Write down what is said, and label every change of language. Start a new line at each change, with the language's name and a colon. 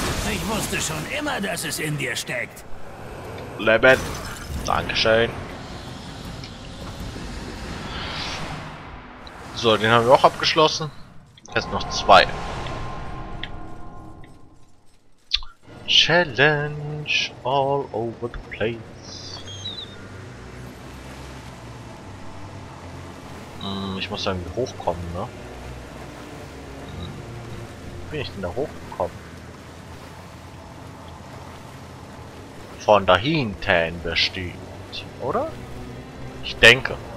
German: Ich wusste schon immer, dass es in dir steckt. Lebend. Dankeschön. So, den haben wir auch abgeschlossen. Jetzt noch zwei.
English: Challenge all over the place.
German: Ich muss da irgendwie hochkommen, ne? Wie bin ich denn da hochgekommen? Von dahinten bestimmt, oder? Ich denke.